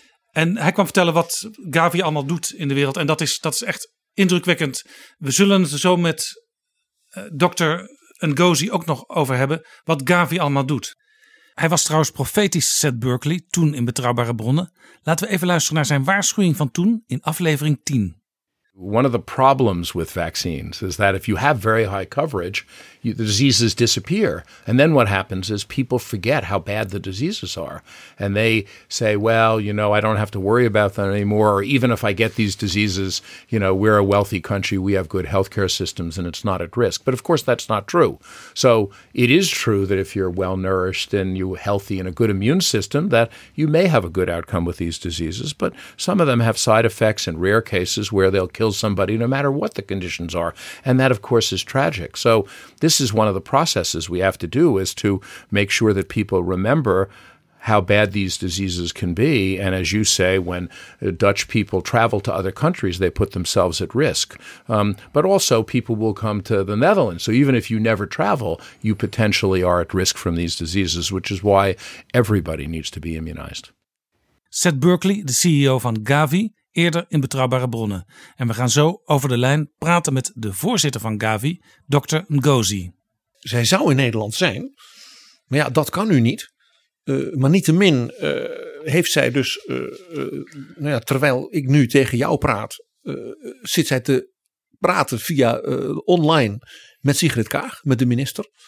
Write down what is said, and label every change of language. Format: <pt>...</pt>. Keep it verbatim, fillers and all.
<nl>En hij kwam vertellen wat Gavi allemaal doet in de wereld. En dat is, dat is echt indrukwekkend. We zullen het zo met uh, dokter Ngozi ook nog over hebben, wat Gavi allemaal doet. Hij was trouwens profetisch, Seth Berkley, toen in Betrouwbare Bronnen. Laten we even luisteren naar zijn waarschuwing van toen in aflevering tien.</nl> <en>One of the problems with vaccines is that if you have very high coverage, you, the diseases disappear. And then what happens is people forget how bad the diseases are. And they say, well, you know, I don't have to worry about that anymore. Or even if I get these diseases, you know, we're a wealthy country, we have good healthcare systems, and it's not at risk. But of course, that's not true. So it is true that if you're well-nourished and you're healthy and a good immune system, that you may have a good outcome with these diseases. But some of them have side effects in rare cases where they'll kill somebody no matter what the conditions are. And that, of course, is tragic. So this is one of the processes we have to do, is to make sure that people remember how bad these diseases can be. And as you say, when Dutch people travel to other countries, they put themselves at risk. Um, but also people will come to the Netherlands. So even if you never travel, you potentially are at risk from these diseases, which is why everybody needs to be immunized.</en> <nl>Seth Berkley, de C E O van Gavi, eerder in Betrouwbare Bronnen. En we gaan zo over de lijn praten met de voorzitter van Gavi, dokter Ngozi. Zij zou in Nederland zijn, maar ja, dat kan nu niet. Uh, maar niettemin uh, heeft zij dus, uh, uh, nou ja, terwijl ik nu tegen jou praat, uh, zit zij te praten via uh, online met Sigrid Kaag, met de minister.</nl>